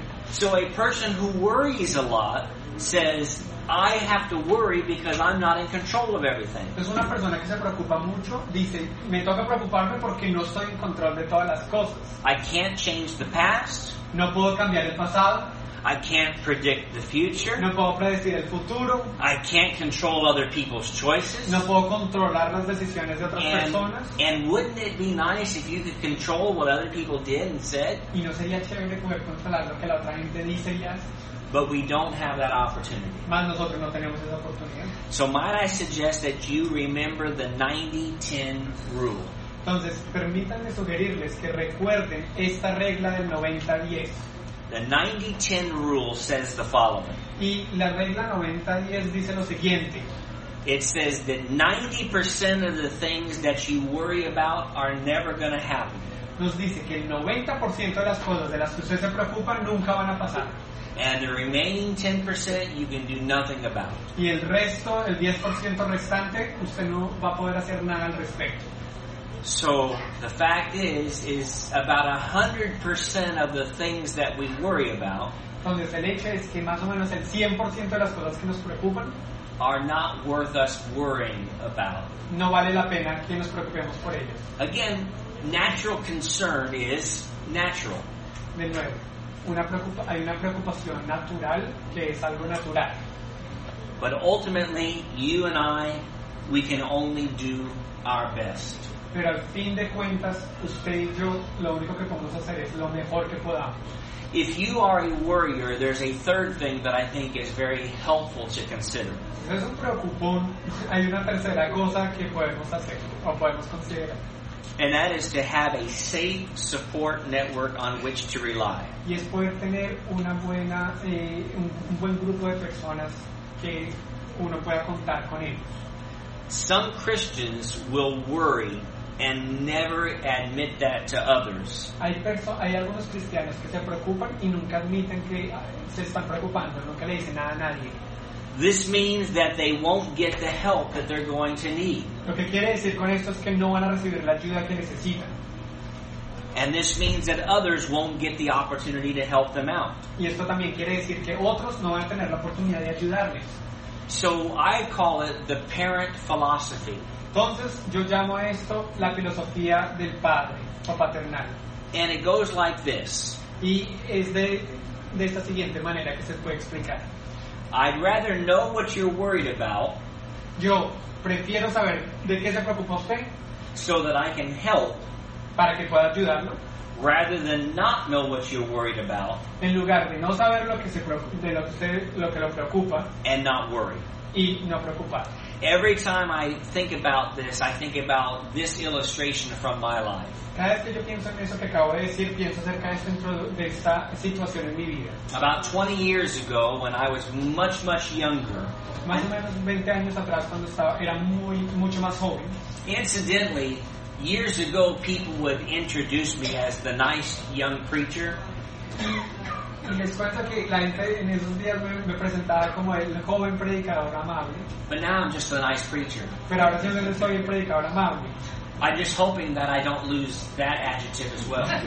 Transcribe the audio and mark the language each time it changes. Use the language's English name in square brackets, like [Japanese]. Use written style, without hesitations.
[English] So a person who worries a lot says, I have to worry because I'm not in control of everything. [Spanish] Es una persona que se preocupa mucho, dice, me toca preocuparme porque no estoy en control de todas las cosas. [English] I can't change the past. [Spanish] No puedo cambiar el pasado. [English] I can't predict the future. [Spanish] No puedo predecir el futuro. [English] I can't control other people's choices. [Spanish] No puedo controlar las decisiones de otras personas. [English] And wouldn't it be nice if you could control what other people did and said? [Spanish] Y no sería chévere poder controlar lo que la otra gente dice y hace. [English] But we don't have that opportunity. [Spanish] Mas nosotros no tenemos esa oportunidad. [English] So might I suggest that you remember the 90-10 rule. [Spanish] Entonces, permítanme sugerirles que recuerden esta regla del 90-10. [English] The 90-10 rule says the following. [Spanish] Y la regla 90-10 dice lo siguiente. [English] It says that 90% of the things that you worry about are never going to happen. [Spanish] Nos dice que el 90% de las cosas de las que usted se preocupa nunca van a pasar. [English] And the remaining 10% you can do nothing about. [Spanish] Y el resto, el 10% restante, usted no va a poder hacer nada al respecto. [English] So the fact is about 100% of the things that we worry about. [Spanish] Entonces el hecho es que más o menos el 100% de las cosas que nos preocupan [English] are not worth us worrying about. [Spanish] No vale la pena que nos preocupemos por ellos. [English] Again, natural concern is natural. [Spanish] De nuevo, hay una preocupación natural que es algo natural. [English] But ultimately, you and I, we can only do our best. [Spanish] pero al fin de cuentas usted y yo lo único que podemos hacer es lo mejor que podamos. [English] If you are a worrier, there's a third thing that I think is very helpful to consider. [Spanish] Si es un preocupón, hay una tercera cosa que podemos hacer o podemos considerar. [English] And that is to have a safe support network on which to rely. [Spanish] Y es poder tener una buena un buen grupo de personas que uno pueda contar con ellos. [English] Some Christians will worry and never admit that to others. [Spanish] Hay algunos cristianos que se preocupan y nunca admiten que se están preocupando, nunca le dicen nada a nadie. [English] This means that they won't get the help that they're going to need. [Spanish] Lo que quiere decir con esto es que no van a recibir la ayuda que necesitan. [English] And this means that others won't get the opportunity to help them out. [Spanish] Y esto también quiere decir que otros no van a tener la oportunidad de ayudarles. [English] So I call it the parent philosophy. [Spanish] Entonces yo llamo a esto la filosofía del padre o paternal. [English] And it goes like this. [Spanish] Y es de esta siguiente manera que se puede explicar. [English] I'd rather know what you're worried about. [Spanish] Yo prefiero saber de qué se preocupa usted. [English] So that I can help. [Spanish] Para que pueda ayudarlo. [English] Rather than not know what you're worried about. [Spanish] En lugar de no saber lo que se preocupa, de lo que usted, lo que lo preocupa. [English] And not worry. [Spanish] Y no preocupar. [English] Every time I think about this, I think about this illustration from my life. [Spanish] Cada vez que yo pienso en eso que acabo de decir, pienso acerca de esta situación en mi vida. [English] About 20 years ago, when I was much, much younger. [Spanish] Más o menos 20 años atrás, cuando estaba, era muy, mucho más joven. [English] Incidentally, years ago, people would introduce me as the nice young preacher. [Spanish] Y les cuento que la gente en esos días me presentaba como el joven predicador amable. [English] But now I'm just the nice preacher. [Spanish] Pero ahora simplemente soy el predicador amable. [English] I'm just hoping that I don't lose that adjective as well.